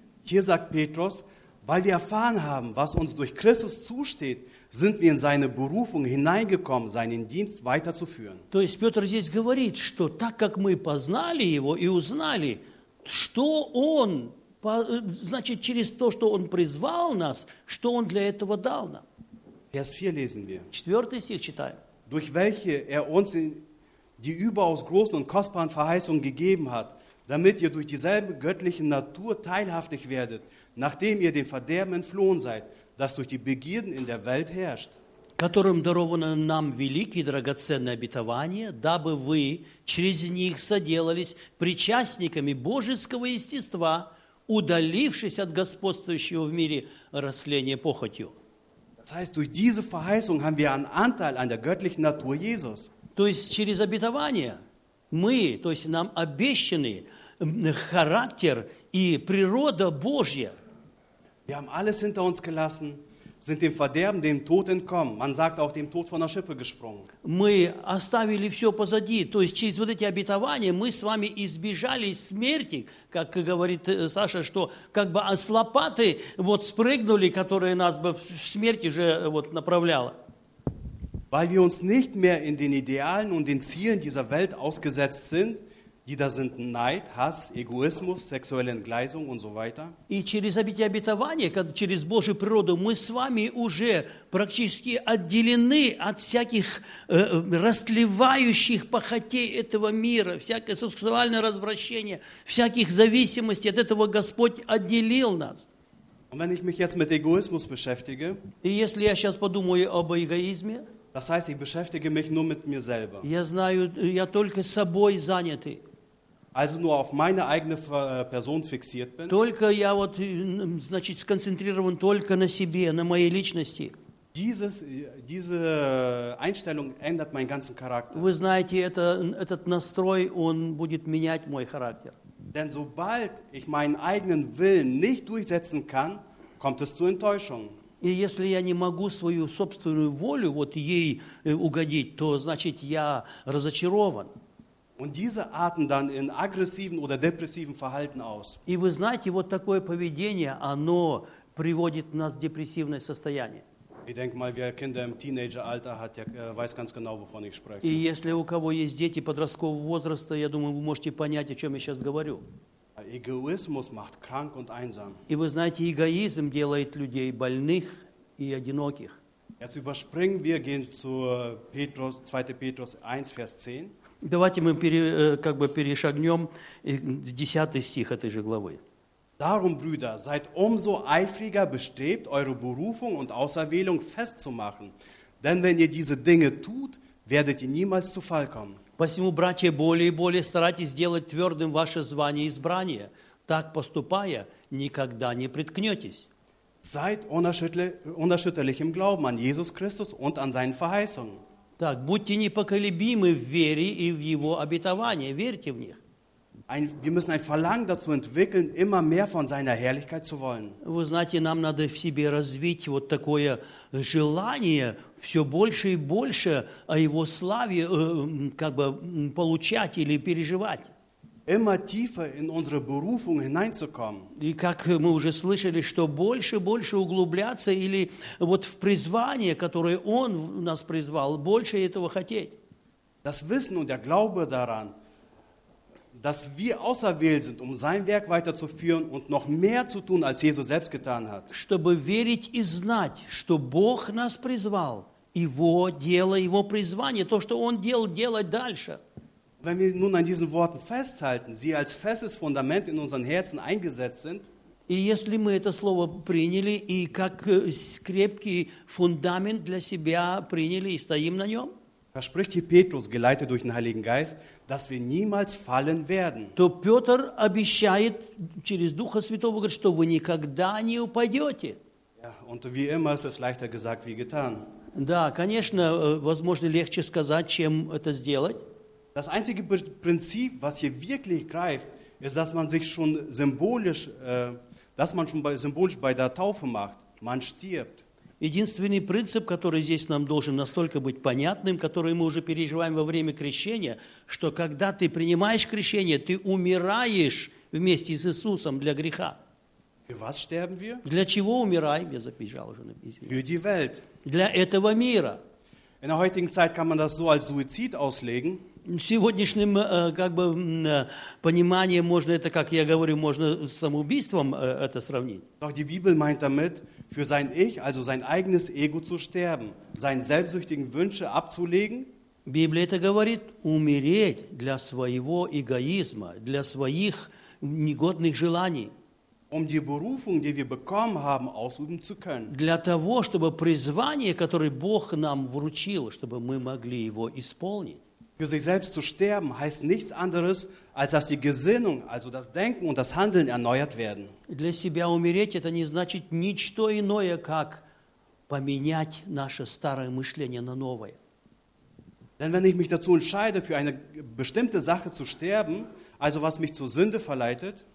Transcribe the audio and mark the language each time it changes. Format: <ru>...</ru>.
<de>Hier sagt Petrus, weil wir erfahren haben, was uns durch Christus zusteht, sind wir in seine Berufung hineingekommen, seinen Dienst weiterzuführen.</de> <ru>То есть Петр здесь говорит, что так как мы познали его и узнали, что он значит, через то, что Он призвал нас, что Он для этого дал нам.</ru> <de>Vers 4 lesen wir.</de> <ru>4. стих читаем.</ru> <de>Durch welche uns die überaus großen und kostbaren Verheißungen gegeben hat, damit ihr durch dieselbe göttliche Natur teilhaftig werdet, nachdem ihr dem Verderben entflohen seid, das durch die Begierden in der Welt herrscht.</de> <ru>Которым даровано нам великие драгоценные обетования, дабы вы через них соделались причастниками божеского естества, удалившись от господствующего в мире растления похотью.</ru> <de>Das heißt, durch diese Verheißung haben wir einen Anteil an der göttlichen Natur Jesus.</de> <ru>То есть через обетование мы, то есть нам обещанный характер и природа Божья.</ru> <de>Wir haben alles hinter uns gelassen, sind dem Verderben, dem Tod entkommen. Man sagt auch dem Tod von der Schippe gesprungen.</de> <ru>Мы оставили все позади, то есть через вот эти обетования мы с вами избежали смерти, как говорит Саша, что как бы с лопаты вот спрыгнули, которые нас бы в смерти же вот направляла.</ru> <de>Weil wir uns nicht mehr in den Idealen und den Zielen dieser Welt ausgesetzt sind, die da sind Neid, Hass, Egoismus, sexuelle Entgleisung und so weiter.</de> <ru>И через обетование, через Божью природу, мы с вами уже практически отделены от всяких растлевающих похотей этого мира, всякое сексуальное развращение, всяких зависимостей от этого Господь отделил нас.</ru> <de>Und wenn ich mich jetzt mit Egoismus beschäftige,</de> <ru>и если я сейчас подумаю об эгоизме,</ru> <de>das heißt, ich beschäftige mich nur mit mir selber.</de> <ru>Я знаю, я только собой занятый.</ru> <de>Also nur auf meine eigene Person fixiert bin.</de> <ru>Только я вот, значит, сконцентрирован только на себе, на моей личности.</ru> <de>Diese Einstellung ändert meinen ganzen Charakter.</de> <ru>Вы знаете, этот настрой, он будет менять мой характер.</ru> <de>Denn sobald ich meinen eigenen Willen nicht durchsetzen kann, kommt es zu Enttäuschung.</de> <ru>И если я не могу свою собственную волю вот ей угодить, то значит я разочарован.</ru> <de>Und diese arten dann in aggressiven oder depressiven Verhalten aus.</de> <ru>И вы знаете, вот такое поведение, оно приводит нас в депрессивное состояние.</ru> <de>Ich denke mal, wer Kinder im Teenager-Alter hat, der weiß ganz genau, wovon ich spreche.</de> <ru>И если у кого есть дети подросткового возраста, я думаю, вы можете понять, о чем я сейчас говорю.</ru> <de>Egoismus macht krank und einsam.</de> <ru>И вы знаете, эгоизм делает людей больных и одиноких.</ru> <de>Jetzt überspringen wir, gehen zu Petrus, 2. Petrus 1, Vers 10.</de> <ru>Давайте мы как бы перешагнем 10 стих этой же главы.</ru> <de>Darum, Brüder, seid umso eifriger bestrebt, eure Berufung und Auserwählung festzumachen. Denn wenn ihr diese Dinge tut, werdet ihr niemals zu Fall kommen.</de> <ru>Посему, братья, более и более старайтесь сделать твердым ваше звание и избрание. Так поступая, никогда не преткнетесь.</ru> <de>Seid unerschütterlich im Glauben an Jesus Christus und an seinen Verheißungen.</de> <ru>Так, будьте непоколебимы в вере и в его обетование. Верьте в них.</ru> <de>Wir müssen ein Verlangen dazu entwickeln, immer mehr von seiner Herrlichkeit zu wollen.</de> <ru>Вы знаете, нам надо в себе развить вот такое желание все больше и больше о его славе как бы получать или переживать.</ru> <de>Immer tiefer in unsere Berufung hineinzukommen.</de> <ru>И как мы уже слышали, что больше и больше углубляться или вот в призвание, которое он нас призвал, больше этого хотеть.</ru> <de>Das Wissen und der Glaube daran, dass wir auserwählt sind, um sein Werk weiterzuführen und noch mehr zu tun, als Jesus selbst getan hat.</de> <ru>Чтобы верить и знать, что Бог нас призвал, его дело, его призвание, то, что он делал, делать дальше.</ru> <de>Wenn wir nun an diesen Worten festhalten, sie als festes Fundament in unseren Herzen eingesetzt sind,</de> <ru>и если мы это слово приняли и как крепкий фундамент для себя приняли и стоим на нем,</ru> <de>da spricht hier Petrus, geleitet durch den Heiligen Geist, dass wir niemals fallen werden.</de> <ru>То Петр обещает через Духа Святого, говорит, что вы никогда не упадете.</ru> <de>Ja, und wie immer ist es leichter gesagt, wie getan.</de> <ru>Да, конечно, возможно, легче сказать, чем это сделать.</ru> <de>Das einzige Prinzip, was hier wirklich greift, ist, dass man sich schon symbolisch, dass man schon symbolisch bei der Taufe macht. Man stirbt.</de> <ru>Единственный принцип, который здесь нам должен настолько быть понятным, который мы уже переживаем во время крещения, что когда ты принимаешь крещение, ты умираешь вместе с Иисусом для греха.</ru> <de>Für was sterben wir?</de> <ru>Для чего умираем? Я забежал уже на письме.</ru> <de>Für die Welt.</de> <ru>Для этого мира.</ru> <de>In der heutigen Zeit kann man das so als Suizid auslegen.</de> <ru>Сегодняшним как бы пониманием можно это, как я говорю, можно с самоубийством это сравнить.</ru> <de>Doch die Bibel meint damit, für sein Ich, also sein eigenes Ego zu sterben, seinen selbstsüchtigen Wünsche abzulegen.</de> <ru>Библия это говорит, умереть для своего эгоизма, для своих негодных желаний.</ru> <de>Um die Berufung, die wir bekommen haben, ausüben zu können.</de> <ru>Для того, чтобы призвание, которое Бог нам вручил, чтобы мы могли его исполнить.</ru> <de>Für sich selbst zu sterben heißt nichts anderes, als dass die Gesinnung, also das Denken und das Handeln erneuert werden.</de> <ru>Для себя умереть это не значит ничто иное, как поменять наше старое мышление на новое.</ru> <de>Denn wenn ich mich dazu entscheide, für eine bestimmte Sache zu sterben, also was mich zur Sünde verleitet,</de>